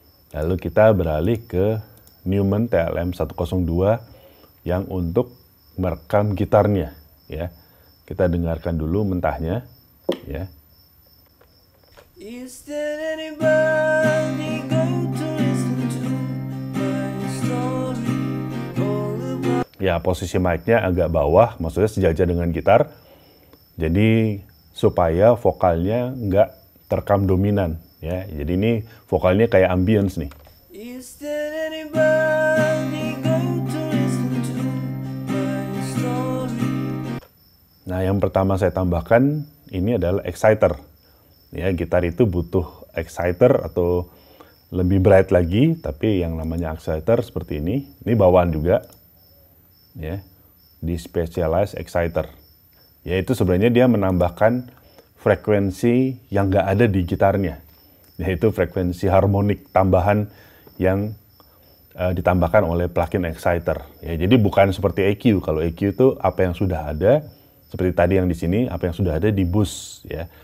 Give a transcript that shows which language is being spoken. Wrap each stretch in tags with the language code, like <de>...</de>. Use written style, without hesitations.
<id>Lalu kita beralih ke Neumann TLM-102 yang untuk merekam gitarnya ya. Kita dengarkan dulu mentahnya ya.</id> <en>Is there anybody going to listen to my story all about...</en> <id>Ya, posisi mic-nya agak bawah, maksudnya sejajar dengan gitar. Jadi supaya vokalnya enggak terekam dominan ya. Jadi ini vokalnya kayak ambience nih.</id> <en>Is there anybody going to listen to my story?</en> <id>Nah, yang pertama saya tambahkan ini adalah exciter. Ya, gitar itu butuh exciter atau lebih bright lagi, tapi yang namanya exciter seperti ini. Ini bawaan juga. Ya. Di specialized exciter. Ya, itu sebenarnya dia menambahkan frekuensi yang enggak ada di gitarnya. Yaitu frekuensi harmonik tambahan yang ditambahkan oleh plugin exciter. Ya, jadi bukan seperti EQ. Kalau EQ itu apa yang sudah ada, seperti tadi yang di sini, apa yang sudah ada di bus, ya.</id>